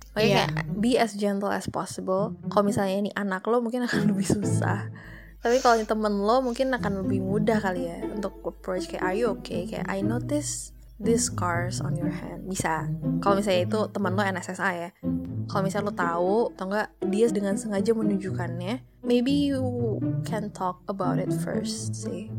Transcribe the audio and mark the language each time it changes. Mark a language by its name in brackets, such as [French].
[Indonesian] Makanya kayak [English] be as gentle as possible. [Indonesian] Kalau misalnya ini anak lo, mungkin akan lebih susah. Tapi kalau ini temen lo, mungkin akan lebih mudah kali ya untuk approach. Kayak, [English] are you okay? [Indonesian] Kayak, [English] I notice these scars on your hand. [Indonesian] Bisa. Kalau misalnya itu temen lo NSSA ya. Kalau misalnya lo tahu atau enggak, dia dengan sengaja menunjukkannya. [English] Maybe you can talk about it first sih.